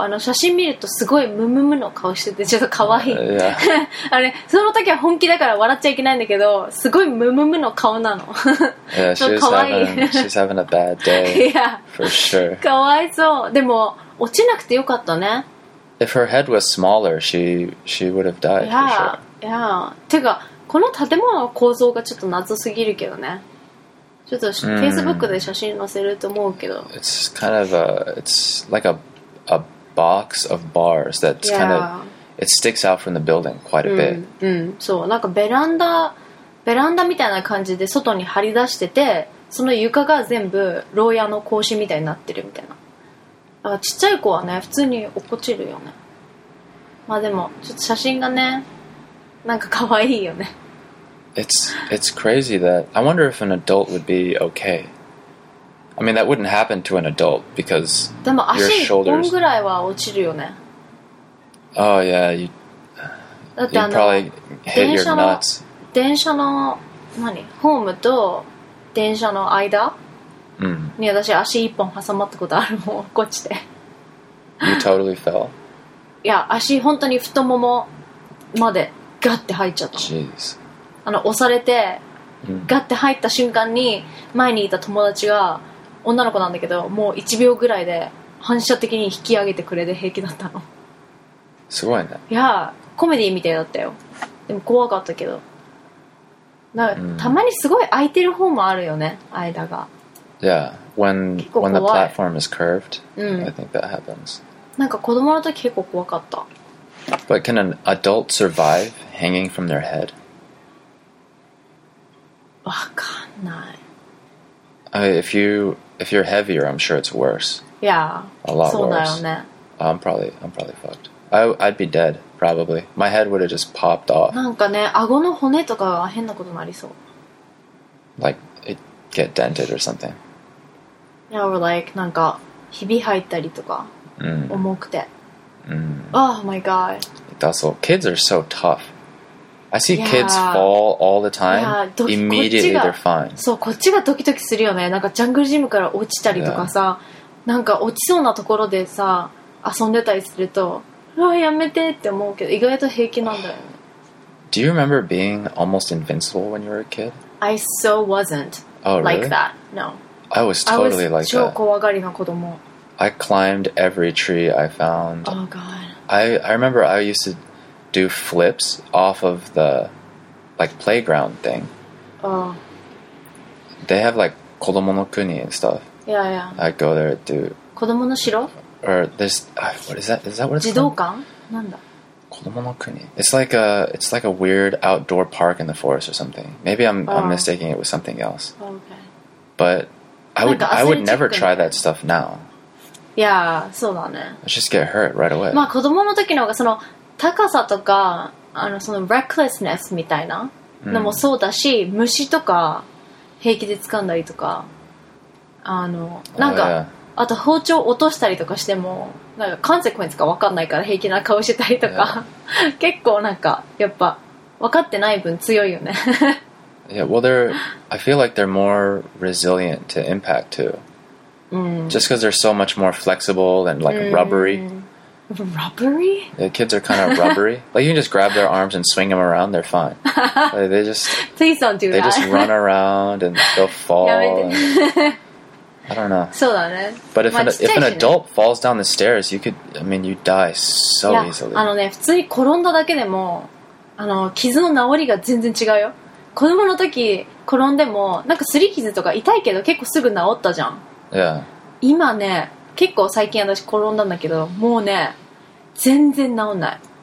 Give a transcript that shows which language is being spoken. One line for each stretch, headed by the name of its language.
Japanese: あの写真見るとすごいムムムの顔してて、ちょっと可愛い。
English: Yeah.
Japanese: あれ、その時は本気だから笑っちゃいけないんだけど、すごいムムムの顔なの。
English: Yeah, she's 可愛い。She's having a bad day. Yeah. For sure.
Japanese: かわいそう。でも、落ちなくてよかったね。
English: If her head was smaller, she would have died, yeah. for sure. Yeah.
Japanese: てか、この建物の構造がちょっと謎すぎるけどね。ちょっとフェイスブックで写真載せると思うけど。
English: It's kind of a, it's like a box of bars that's、 yeah. kind of, it sticks out from the building quite a bit.
Japanese: うん、うん、そう、なんかベランダみたいな感じで外に張り出してて、その床が全部牢屋の格子みたいになってるみたいな。ちっちゃい子はね普通に落っこちるよね。まあでもちょっと写真がねなんか可愛いよね。
English: It's crazy that I wonder if an adult would be okay. I mean that wouldn't happen to an adult because
Japanese: でも足1本ぐらいは落ちるよね。
English: Oh yeah, you probably hit your nuts.
Japanese: 電車の何ホームと電車の間に私足1本挟まったことあるもん、落っこちて。
English: You totally fell?
Japanese: いや足本当に太ももまでガッて入っちゃった。
English: Jeez.
Japanese: 押されてガッて入った瞬間に前にいた友達が女の子なんだけどもう1秒ぐらいで反射的に引き上げてくれて平気だったの。すごいね。いやコメディみたいだったよ。でも怖かったけど、なんかたまにすごい空いてる方もあるよね間が。
English: Yeah, when the platform is curved, I think that happens.
Japanese: なんか子供の時結構怖かった。
English: But can an adult survive hanging from their head?
Japanese: わかんない。
English: If you're heavier, I'm sure it's worse. Yeah, a lot
Japanese: そうだよね。
English: I'm probably fucked. I'd be dead, probably. My head would have just popped off.
Japanese: なんかね、顎の骨とかが変なことになりそう。
English: Like,get dented or something. Yeah, or like,
Japanese: なんかひび入ったりとか、重くて。
English: Oh my god. That's all. Kids are so tough. I see kids fall all the time. Immediately they're fine.
Japanese: そう、こっちがドキドキするよね。なんかジャングルジムから落ちたりとかさ、なんか落ちそうなところでさ、遊んでたりすると、うわ、やめてって思うけど、意外と平気なんだよね。
English: Do you remember being almost invincible when you were a kid? I so wasn't. Oh, really? Like that, no. I was totally like that. I was
Japanese: 超怖がりな子供。
English: I climbed every tree I found. Oh, God. I remember I used to do flips off of the, like, playground thing. Oh. They have, like, 子供の国 and stuff. Yeah, yeah. I'd go there and do...
Japanese: 子供の城?
English: Or there's... What is that? Is that what it's
Japanese: 児童館?なんだ? 子供の国.
English: It's like a weird outdoor park in the forest or something. Maybe I'm mistaking it with something else. Okay. But I would never try that stuff now. Yeah,
Japanese: そうだね。
English: I'd just get hurt right away.
Japanese: まあ子供の時の方がその高さとかその recklessness みたいなのもそうだし、虫とか平気で掴んだりとか、なんか、あと包丁落としたりとかしてもなんかコンセクエンスか分かんないから平気な顔してたりとか、結構なんかやっぱ分かってない分強いよね。
English: Yeah, well, I feel like they're more resilient to impact too. Just because they're so much more flexible and like rubbery. Rubbery? The kids are kind of rubbery. Like you can just grab their arms and swing them around, they're fine. Like, they just please don't do they that. They just run around and they'll fall. I don't know.
Japanese: そうだね。
English: But if an adult falls down the stairs, you'd die so easily.
Japanese: ね、普通に転んだだけでも、傷の治りが全然違うよ。子供の時、転んでも、なんか擦り傷とか痛いけど結構すぐ治ったじゃん。
English: Yeah.
Japanese: 今ね、結構最近私転んだんだけど、もうね、全然治んない。